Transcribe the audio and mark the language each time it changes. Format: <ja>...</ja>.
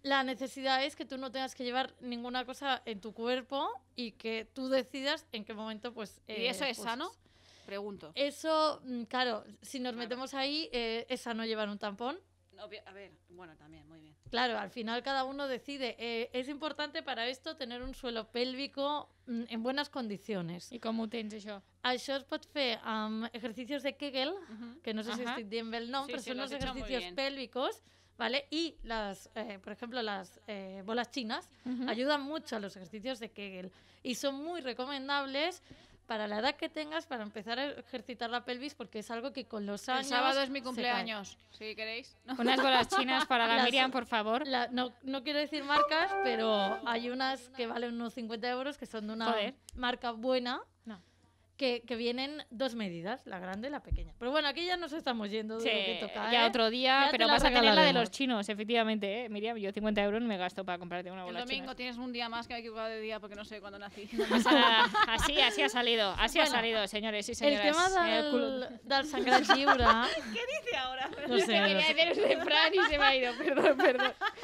<es>La necesidad es que tú no tengas que llevar ninguna cosa en tu cuerpo y que tú decidas en qué momento, pues... ¿Y eso es sano? Pregunto. Eso, claro, si nos metemos ahí, es sano llevar un tampón. Obvio, a ver, bueno, también, muy bien. Claro, al final cada uno decide. Es importante para esto tener un suelo pélvico en buenas condiciones.</es> <ca>¿Y cómo tens això? Això es pot fer amb</ca> <es>ejercicios de Kegel,</es> <ca>que no sé si estic dient bé el nom, sí, però sí, són uns</ca> <es>ejercicios pélvicos, ¿vale? Y las, por ejemplo, las bolas chinas ayudan mucho a los ejercicios de Kegel y son muy recomendables para la edad que tengas, para empezar a ejercitar la pelvis, porque es algo que con los años... El sábado es mi cumpleaños, si queréis. Unas bolas chinas para la Miriam, por favor. No quiero decir marcas, pero hay unas que valen unos 50 euros, que son de una marca buena, que vienen dos medidas, la grande y la pequeña. Pero bueno, aquí ya nos estamos yendo de lo que toca. Ya otro día, pero vas a tener la de los chinos, efectivamente. Miriam, yo 50 euros me gasto para comprarte una bola china. El domingo tienes un día más, que me he equivocado de día porque no sé cuándo nací. Así ha salido, señores y señoras. El tema del sangrar lliure... ¿Qué dice ahora? No sé. Quería decir un refrán y se me ha ido, perdón.</es>